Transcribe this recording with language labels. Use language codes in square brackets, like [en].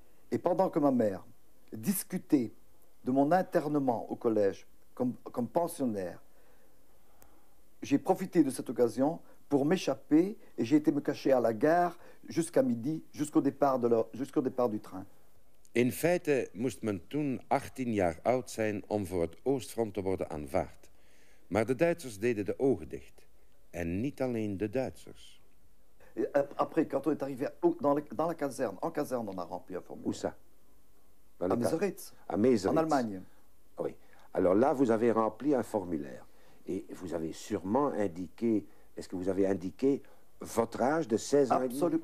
[fr] Et pendant que ma mère discutait de mon internement au collège comme pensionnaire, j'ai profité de cette occasion pour m'échapper et j'ai été me cacher à la gare jusqu'à midi, jusqu'au départ du train. [nl] In feite moest men toen 18 jaar oud zijn om voor het Oostfront te worden aanvaard. Maar de Duitsers deden de ogen dicht. En niet alleen de Duitsers. [fr] Après, quand on est arrivé dans la caserne, en caserne, on a rempli un formulaire. Où ça? À Meseritz. À Meseritz. En Allemagne. Oui. Alors là, vous avez rempli un formulaire. Et vous avez sûrement indiqué, est-ce que vous avez indiqué votre âge de 16 ans et demi?